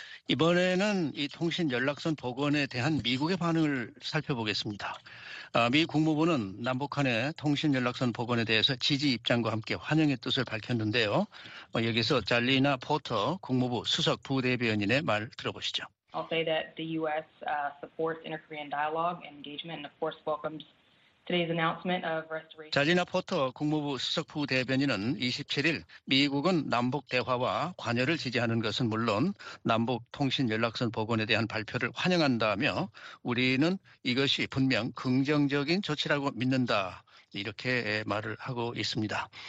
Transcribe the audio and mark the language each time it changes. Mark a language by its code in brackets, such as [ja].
[ko] 이번에는 이 통신 연락선 복원에 대한 미국의 반응을 살펴보겠습니다. 미 국무부는 남북한의 통신 연락선 복원에 대해서 지지 입장과 함께 환영의 뜻을 밝혔는데요. 여기서 잘리나 포터 국무부 수석 부대변인의 말 들어보시죠. [en] I'll say that the U.S. Supports inter-Korean dialogue and engagement, and of course welcomes today's announcement of restoration. [ko] 잘리나 포터 국무부 수석부 대변인은 27일 미국은 남북 대화와 관여를 지지하는 것은 물론 남북 통신 연락선 복원에 대한 발표를 환영한다며 우리는 이것이 분명 긍정적인 조치라고 믿는다 이렇게 말을 하고 있습니다.